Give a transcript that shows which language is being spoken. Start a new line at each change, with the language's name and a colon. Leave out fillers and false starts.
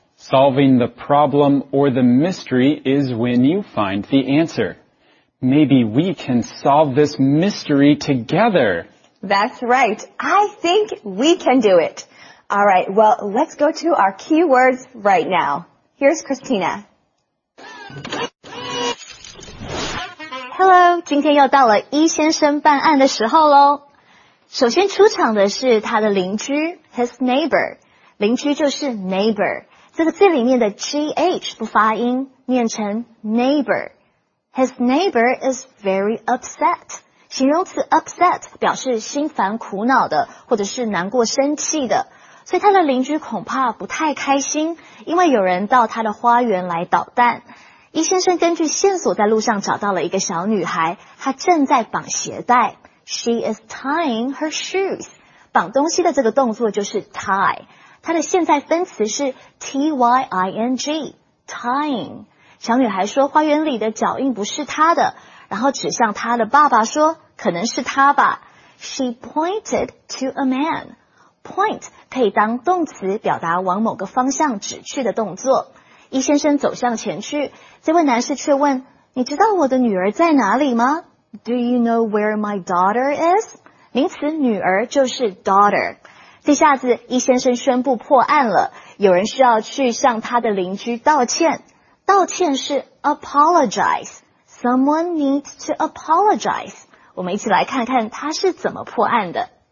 English: Solving the problem or the mystery is when you find the answer. Maybe we can solve this mystery together. That's right. I think we can do it. All right, well, let's go to our keywords right now. Here's Christina. Hello,
Chinese: 今天又到了 E 先生办案的时候咯。首先出场的是他的邻居 ,
English: his neighbor。
Chinese: 邻居就是 neighbor。这个字里面的 GH 不发音念成 neighbor。
English: His neighbor is very upset.
Chinese: 形容词 upset 表示心烦苦恼的或者是难过生气的。所以他的邻居恐怕不太开心，因为有人到他的花园来捣蛋。 E 先生根据线索在路上找到了一个小女孩，她正在绑鞋带。
English: She is tying her shoes.
Chinese: 绑东西的这个动作就是 tie. 它的现在分词是 T-Y-I-N-G, tying. 小女孩说花园里的脚印不是她的，然后指向她的爸爸说可能是她吧。
English: She pointed to a man.
Chinese: Point 可以当动词表达往某个方向指去的动作。 E 先生走向前去，这位男士却问，你知道我的女儿在哪里吗？
English: Do you know where my daughter is?
Chinese: 名词女儿就是 daughter。这下子E 先生宣布破案了，有人需要去向他的邻居道歉。道歉是 apologize.
English: Someone needs to apologize.
Chinese: 我们一起来看看他是怎么破案的。